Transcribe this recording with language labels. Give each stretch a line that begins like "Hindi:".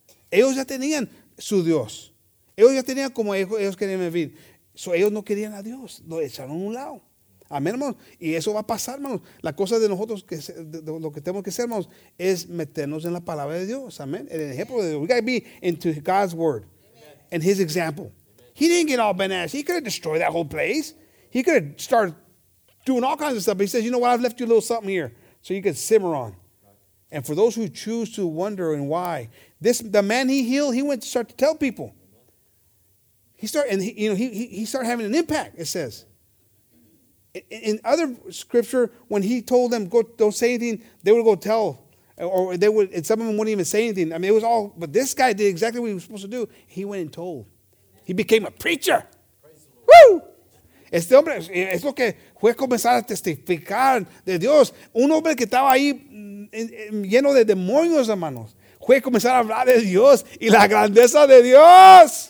Spanish: Ellos ya tenían su Dios. Ellos ya tenían como ellos querían vivir. So, ellos no querían a Dios. Lo echaron a un lado. Amén, hermanos. Y eso va a pasar, hermanos. La cosa de nosotros, lo que tenemos que hacer, hermanos, es meternos en la palabra de Dios.
English: Amén.
Spanish: El ejemplo de Dios.
English: We got to be into God's word. Amen. And his example. Amen. He didn't get all bananas. He could have destroyed that whole place. He could have started doing all kinds of stuff. But he says, you know what? I've left you a little something here so you can simmer on. And for those who choose to wonder and why, the man he healed, he went to start to tell people. He started having an impact, it says. In other scripture, when he told them, go, don't say anything, they would go tell. Or they would, and some of them wouldn't even say anything. I mean, it was all, but this guy did exactly what he was supposed to do. He went and told. Amen. He became a preacher. Woo!
Spanish: Este hombre, es lo que fue comenzar a testificar de Dios. Un hombre que estaba ahí lleno de demonios, hermanos. Fue comenzar a hablar de Dios y la grandeza de Dios.